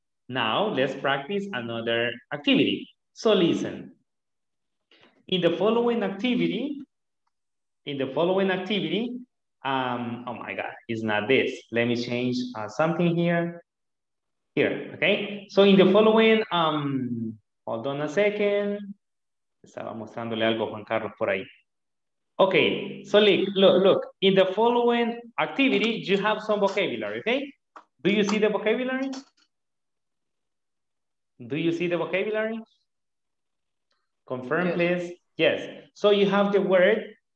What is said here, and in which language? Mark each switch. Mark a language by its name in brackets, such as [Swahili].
[English] Now let's practice another activity. So listen. In the following activity, oh my God, it's not this. Let me change something here. Here, okay? So in the following, hold on a second. [Spanish] Estaba mostrándole algo a Juan Carlos por ahí. [English] Okay, so look, in the following activity, you have some vocabulary, okay? Do you see the vocabulary? Do you see the vocabulary? Confirm, yes. Please. Yes. So you have the word